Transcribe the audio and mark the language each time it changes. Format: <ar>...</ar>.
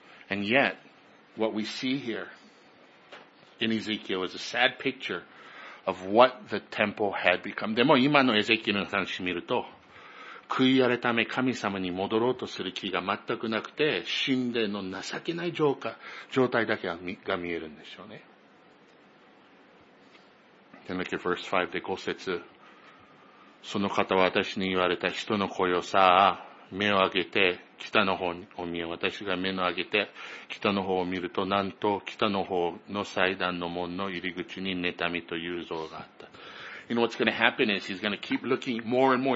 <en>And yet, what we see here in Ezekiel is a sad picture of what the temple had become.</en> <ja>でも今のエゼキエルの話を見ると、悔い改め神様に戻ろうとする気が全くなくて、神殿の情けない状態だけが見えるんでしょうね。</ja> <en>Then look at verse 5,</en> <ja>で五節。その方は私に言われた人の声をさあ、目を上げて北の方を見よ。私が目を上げて北の方を見ると、なんと北の方の祭壇の門の入り口に妬みという像があった。</ja> <en>You know what's going to happen is he's going to keep looking more and more.</en>